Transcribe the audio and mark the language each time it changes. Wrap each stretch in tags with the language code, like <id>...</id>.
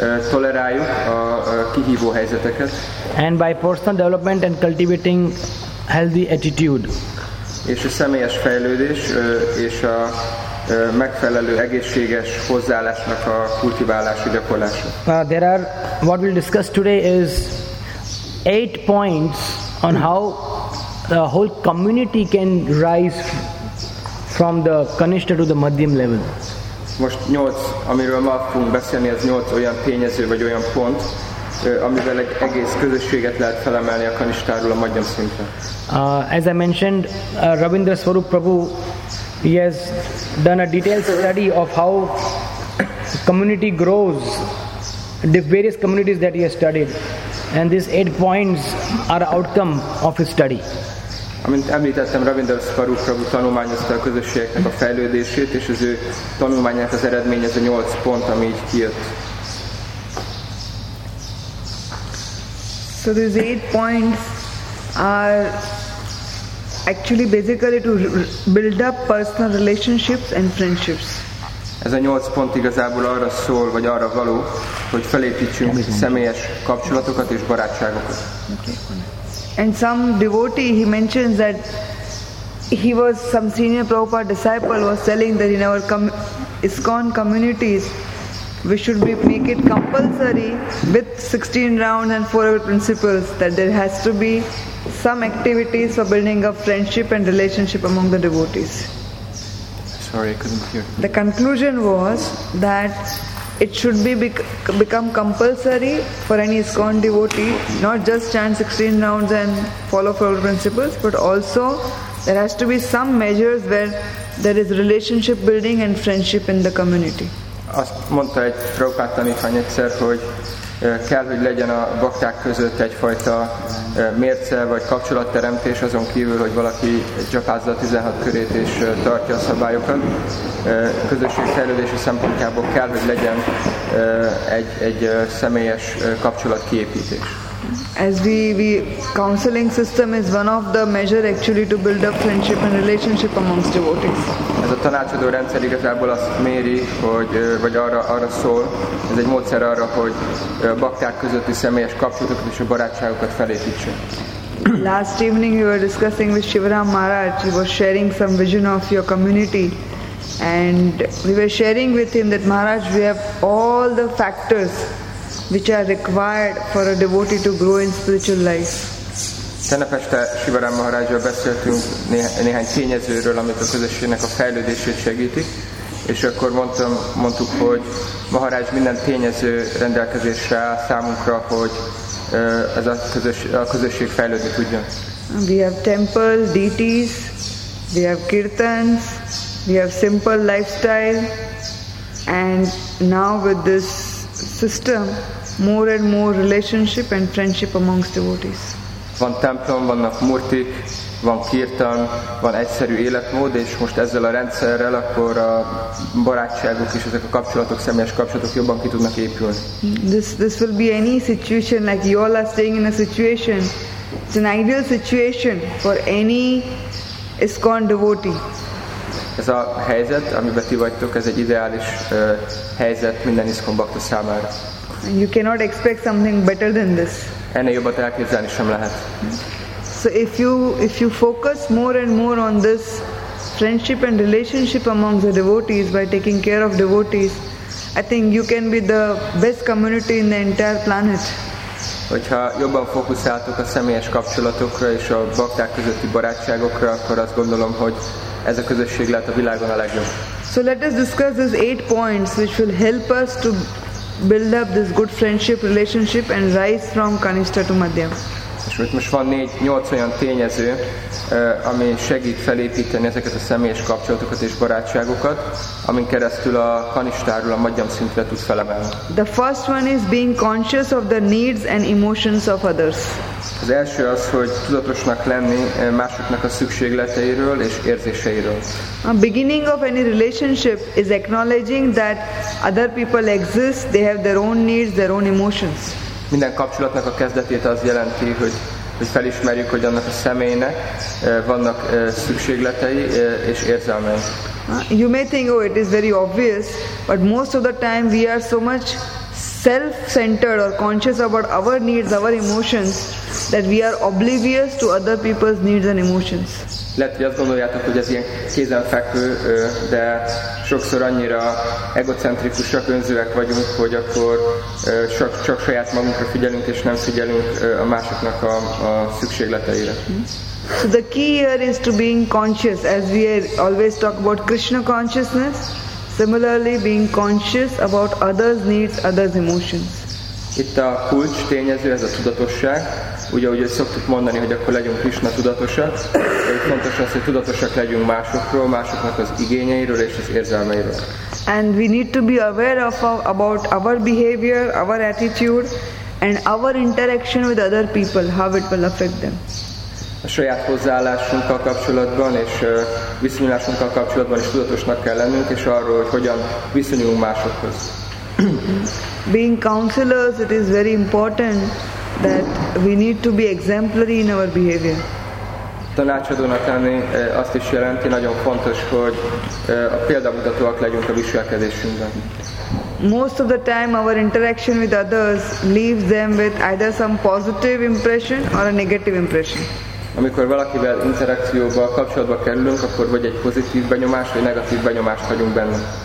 <hu>Toleráljuk a kihívó helyzeteket.</hu> <en>And by personal development and cultivating healthy attitude.</en> <hu>És a személyes fejlődés és a megfelelő egészséges hozzáállásnak a kultiválási gyakorlása.</hu> <en>There are, what we'll discuss today is 8 points on how the whole community can rise from the Kanishtha to the Madhyam level.</en> <hu>Most 8, amiről ma fogunk beszélni, az 8 olyan tényező vagy olyan pont, amivel egy egész közösséget lehet felemelni a Kanishtáról a Madhyam szintre.</hu> <en>As I mentioned, Ravindra Swarup Prabhu, he has done a detailed study of how community grows, the various communities that he has studied, and these 8 points are outcome of his study.</en> <hu>Amint említettem, Ravindra Swarup Prabhu tanulmányozta a közösségeknek a fejlődését, és az ő tanulmányát az eredmény ez a 8 pont, ami így kijött.</hu> <en>So these 8 points are actually basically to build up personal relationships and friendships.</en> <hu>Ez a 8 pont igazából arra szól, vagy arra való, hogy felépítsünk személyes kapcsolatokat és barátságokat.</hu> <en>Okay. And some devotee, he mentions that he was some senior Prabhupada disciple was telling that in our ISKCON communities, we should be make it compulsory with 16 rounds and 4 principles that there has to be some activities for building up friendship and relationship among the devotees. Sorry, I couldn't hear. The conclusion was that it should be become compulsory for any ISKCON devotee, not just chant 16 rounds and follow 4 principles, but also there has to be some measures where there is relationship building and friendship in the community.</en> <hu>Azt mondta egy Prabhupád tanítvány egyszer, hogy kell, hogy legyen a bakták között egyfajta mérce vagy kapcsolatteremtés, azon kívül, hogy valaki japázza a 16 körét és tartja a szabályokat. Közösség fejlődési szempontjából kell, hogy legyen egy személyes kapcsolat kiépítés.</hu> <en>As we counseling system is one of the measure actually to build up friendship and relationship amongst devotees.</en> <hu>Ez a tanácsadó rendszer igazából azt méri, hogy vagy arra szól, ez egy módszer arra, hogy bakták közötti személyes kapcsolatokat és a barátságokat felépítsen.</hu> <en>Last evening we were discussing with Shivaram Maharaj, he was sharing some vision of your community, and we were sharing with him that Maharaj, we have all the factors which are required for a devotee to grow in spiritual life.</en> <hu>Tegnap este Shivaram Maharajjal beszéltünk néhány tényezőről, amit a közösségnek a fejlődését segítik, és akkor mondtuk, hogy Maharaj minden tényező rendelkezésre áll számunkra, hogy ez a közösség fejlődni tudjon.</hu> <en>We have temples, deities, we have kirtans, we have simple lifestyle, and now with this system, more and more relationship and friendship amongst devotees.</en> <hu>Van templom, vannak murtik, van kirtan, van egyszerű életmód, és most ezzel a rendszerrel akkor a barátságok és ezek a kapcsolatok, személyes kapcsolatok jobban ki tudnak épülni.</hu> <en>This will be any situation, like you all are staying in a situation. It's an ideal situation for any ISKCON devotee.</en> <hu>Ez a helyzet, amiben ti vagytok, ez egy ideális helyzet minden ISKCON bakta számára.</hu> <en>You cannot expect something better than this.</en> <hu>Ennél jobbat elképzelni sem lehet.</hu> <en>So if you focus more and more on this friendship and relationship among the devotees by taking care of devotees, I think you can be the best community in the entire planet.</en> <hu>Hogyha jobban fókuszáltok a személyes kapcsolatokra és a bakták közötti barátságokra, akkor azt gondolom, hogy ez a közösség lehet a világon a legjobb.</hu> <en>So let us discuss these 8 points which will help us to build up this good friendship relationship and rise from kanista to madhyam.</en> <hu>És most van 8 olyan tényező, ami segít felépíteni ezeket a személyes kapcsolatokat és barátságokat, amin keresztül a kanistáról a madhyam szintre tud felemelni.</hu> <en>The first one is being conscious of the needs and emotions of others.</en> <hu>Az első az, hogy tudatosnak lenni másoknak a szükségleteiről és érzéseiről.</hu> <en>A beginning of any relationship is acknowledging that other people exist, they have their own needs, their own emotions.</en> <hu>Minden kapcsolatnak a kezdetét az jelenti, hogy felismerjük, hogy annak a személynek vannak szükségletei és érzelmei.</hu> <en>You may think, oh, it is very obvious, but most of the time we are so much self-centered or conscious about our needs, our emotions, that we are oblivious to other people's needs and emotions.</en> <hu>Lehet, hogy azt gondoljátok, hogy ez ilyen kézenfekvő, de sokszor annyira egocentrikusak, önzőek vagyunk, hogy akkor csak saját magunkra figyelünk, és nem figyelünk a másoknak a szükségleteire.</hu> <en>So the key here is to being conscious, as we always talk about Krishna consciousness, similarly being conscious about others' needs, others' emotions.</en> <hu>Itt a kulcs tényező, ez a tudatosság. Ugye, ahogy szoktuk mondani, hogy akkor legyünk Krishna tudatosak, de fontos az, hogy tudatosak legyünk másokról, másoknak az igényeiről és az érzelmeiről.</hu> <en>And we need to be aware of about our behavior, our attitude, and our interaction with other people, how it will affect them.</en> <hu>A saját hozzáállásunkkal kapcsolatban és viszonyulásunkkal kapcsolatban is tudatosnak kell lennünk, és arról, hogy hogyan viszonyulunk másokhoz.</hu> <en>Being counselors, it is very important that we need to be exemplary in our behavior.</en> <hu>Tanácsadónak lenni azt is jelenti, nagyon fontos, hogy a példamutatóak legyünk a viselkedésünkben.</hu> <en>Most of the time our interaction with others leaves them with either some positive impression or a negative impression.</en> <hu>Amikor valakivel interakcióba, kapcsolatba kerülünk, akkor vagy egy pozitív benyomás, vagy negatív benyomást hagyunk benne.</hu>